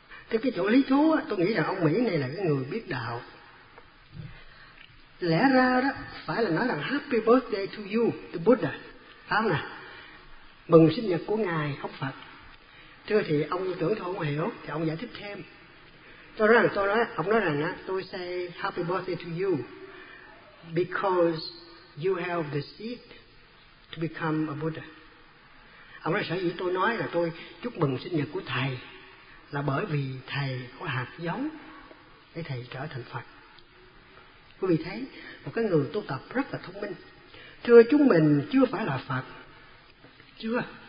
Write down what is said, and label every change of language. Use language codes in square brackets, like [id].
[vi] Thì cái chỗ lý thú á, tôi nghĩ là ông Mỹ này là cái người biết đạo. Lẽ ra đó phải là nói là [en] happy birthday to you, the Buddha, [vi] phải không nè, mừng sinh nhật của ngài không Phật. Thưa thì ông tưởng thôi không hiểu, thì ông giải thích thêm. Tôi nói rằng tôi [en] say happy birthday to you because you have the seed to become a Buddha. [vi] Ông nói sở dĩ tôi nói là tôi chúc mừng sinh nhật của thầy là bởi vì thầy có hạt giống để thầy trở thành Phật. Quý vị thấy, một cái người tu tập rất là thông minh. Thưa chúng mình, chưa phải là Phật. Chưa.